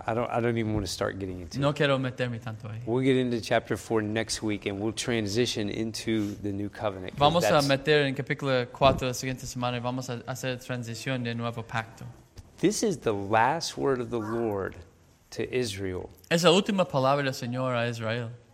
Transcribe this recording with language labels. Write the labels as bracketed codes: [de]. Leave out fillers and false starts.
[en] I don't even want to start getting into. [es] No quiero meterme tanto ahí. [en] We'll get into chapter 4 next week, and we'll transition into the new covenant. [es] Vamos a meter en capítulo 4 la siguiente semana y vamos a hacer transición de nuevo pacto. [en] This is the last word of the Lord to Israel. [es] Es la última palabra del Señor a Israel.